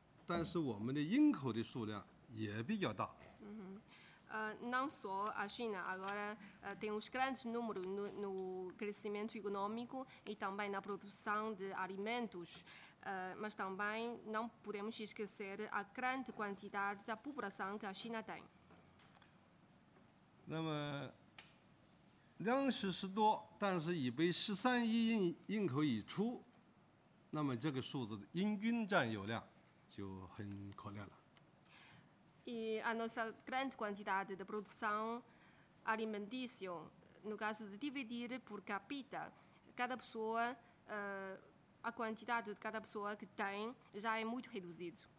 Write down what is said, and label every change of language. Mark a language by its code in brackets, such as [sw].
[zh] 无论是经济的数量，还是粮食的数量，这个数字都比较大，但是我们的人口的数量也比较大。 [pt] Não só a China, agora tem os grandes números no crescimento econômico e também na produção de alimentos, mas também não podemos esquecer a grande quantidade da população que a China tem. [zh] 那么粮食是多，但是已被13亿人口已出， 那么这个数字的人均占有量就很可怜了。 [pt] E a nossa grande quantidade de produção alimentícia, no caso de dividir por capita, cada pessoa, a quantidade de cada pessoa que tem já é muito reduzido.